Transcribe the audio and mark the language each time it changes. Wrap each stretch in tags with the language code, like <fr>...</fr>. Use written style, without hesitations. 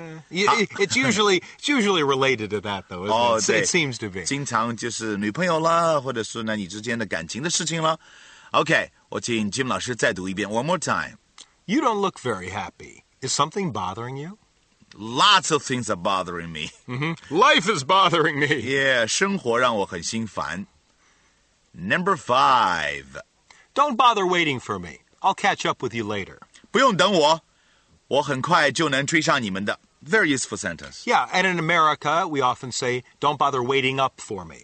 <en>It's usually related to that, though, isn't it? It seems to be.</en> <zh>经常就是女朋友啦，或者说呢，你之间的感情的事情啦。 Okay, 我请 Jim 老师再读一遍</zh> <en>one more time. You don't look very happy. Is something bothering you? Lots of things are bothering me. Mm-hmm. Life is bothering me.</en> <zh>Yeah, 生活让我很心烦。</zh> <en>Number 5. Don't bother waiting for me. I'll catch up with you later.</en> <zh>不用等我。我很快就能追上你们的。</zh> <en>Very useful sentence. Yeah, and in America, we often say, don't bother waiting up for me.</en>